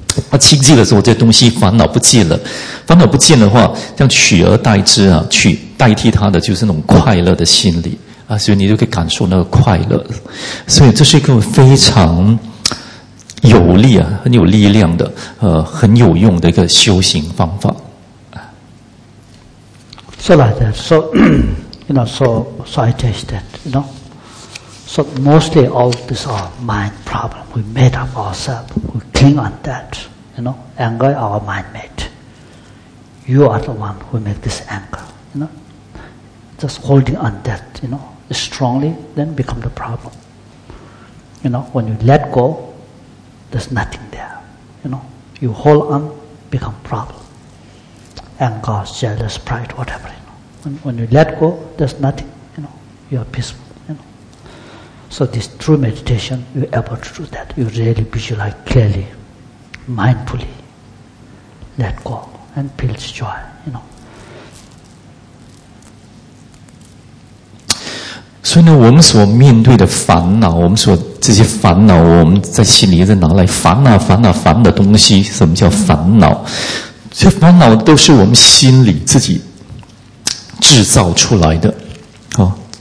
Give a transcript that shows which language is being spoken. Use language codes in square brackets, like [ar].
[zh] 啊，清净的时候，这东西烦恼不见了，烦恼不见的话，这样取而代之啊，去代替它的就是那种快乐的心理啊，所以你就可以感受那个快乐。所以这是一个非常有力啊，很有力量的，很有用的一个修行方法。 [en] So like that, so you know, so I teach that, you know, so mostly all these are mind problem. We made up ourselves. We cling on that. You know, anger is our mind made. You are the one who make this anger. You know, just holding on that, you know, strongly, then become the problem. You know, when you let go, there's nothing there. You know, you hold on, become problem. Anger, jealous, pride, whatever. You know. When you let go, there's nothing. You know, you are peaceful. You know. So this true meditation, you're able to do that. You really visualize clearly. Mindfully let go and feel joy, you know. [zh] 所以呢，我们所面对的烦恼，我们所这些烦恼，我们在心里在拿来烦恼、烦恼、烦的东西，什么叫烦恼？这烦恼都是我们心里自己制造出来的，啊。